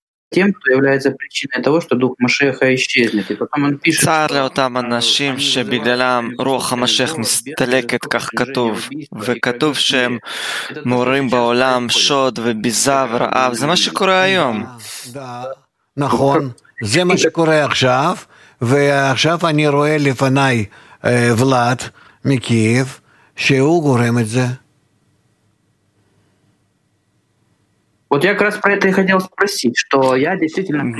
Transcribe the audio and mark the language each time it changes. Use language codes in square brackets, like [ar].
[ru] тем, кто является причиной того, что дух Машеха исчезнет. И потом он пишет, [he] צער לאותם אנשים שבגללם רוח המשך מסתלקת, כך כתוב, וכתוב שהם מורים בעולם שוד וביזה ורעב. זה מה שקורה היום. נכון, זה מה שקורה עכשיו, ועכשיו אני רואה לפניי ולד מקייב, שהוא גורם את זה. [ru] Вот я как раз про это и хотел спросить, что я действительно...